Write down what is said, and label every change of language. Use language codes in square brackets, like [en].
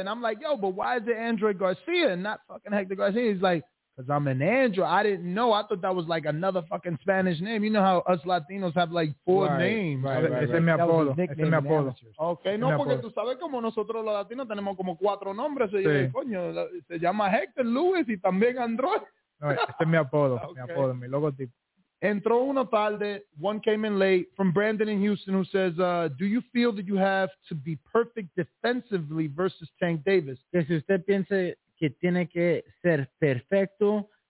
[en] And I'm like, yo, but why is it Android Garcia and not fucking Hector Garcia? He's like, because I'm an Android. I didn't know. I thought that was like another fucking Spanish name. You know how us Latinos have like four names. [es] Right. Ese es mi apodo. [en] Okay. [es] No, porque tú sabes como nosotros los latinos tenemos como cuatro nombres. Sí. Y dice, coño, se llama Hector Luis y también Android. No, ese es mi apodo. Okay. Mi apodo, mi logotipo. Entró una tarde, [en] one came in late, from Brandon in Houston, who says, do you feel that you have to be perfect defensively versus Tank Davis? [es] Que si usted piense que tiene que ser perfecto